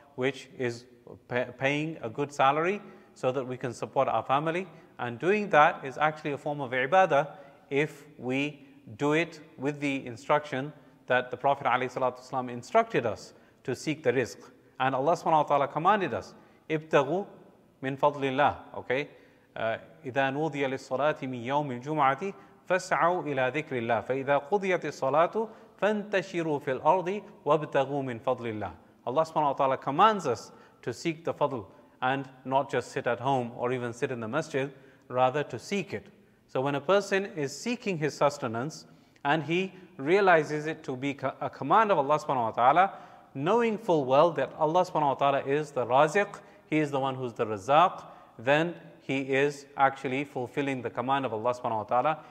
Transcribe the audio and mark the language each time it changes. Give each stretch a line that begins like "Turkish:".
English: which is paying a good salary so that we can support our family. And doing that is actually a form of ibadah if we do it with the instruction that the Prophet ﷺ instructed us to seek the rizq. And Allah subhanahu wa ta'ala commanded us,
Arabic: ابتغوا من فضل الله,
English: okay?
Arabic: إذا نودي للصلاة من يوم الجمعة فسعوا إلى ذكر الله فإذا قضيت الصلاة فانتشروا في الأرض وابتغوا من فضل الله.
English: Allah subhanahu wa ta'ala commands us to seek the fadl and not just sit at home or even sit in the masjid, rather to seek it. So when a person is seeking his sustenance and he realizes it to be a command of Allah subhanahu wa ta'ala, knowing full well that Allah subhanahu wa ta'ala is the raziq, He is the one who's the razaq, then he is actually fulfilling the command of Allah subhanahu wa ta'ala.